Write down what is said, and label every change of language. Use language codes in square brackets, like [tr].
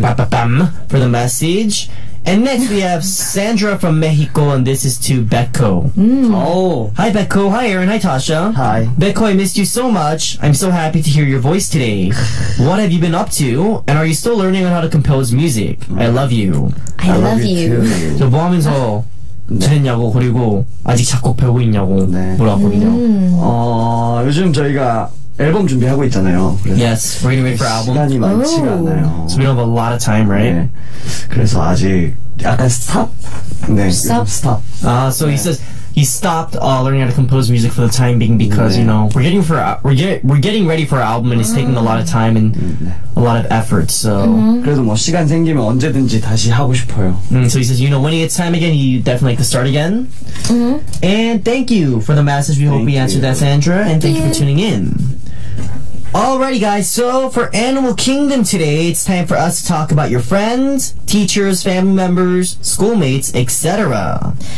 [en] Pam for the message. And next we have Sandra from Mexico, and this is to Beko. Hi Beko, hi Aaron, hi Tasha. Hi. Beko, I missed you so much. I'm so happy to hear your voice today. What have you been up to? And are you still learning on how to compose music? I love you. I love you too. [ko] 저 뭐 하면서 지냈냐고, 그리고 아직 작곡 배우고 있냐고 물어봤거든요. 요즘 저희가 앨범 준비하고 있잖아요. [en] Yes, we're gonna wait for album. [ko] 시간이 많지가 않아요. [en] So we don't have a lot of time, right? [ko] 네. 그래서 아직 약간 stop. 네, stop. [en] So he says he stopped learning how to compose music for the time being because you know we're getting ready for our album and it's taking a lot of time and a lot of effort. So [ko] 그래도 뭐 시간 생기면 언제든지 다시 하고 싶어요. [en] So he says, you know, when he gets time again, he definitely like to start again. And thank you for the message. We hope we answered that, Sandra. And thank you for tuning in. Alrighty guys, so for Animal Kingdom today, it's time for us to talk about your friends, teachers, family members, schoolmates, etc.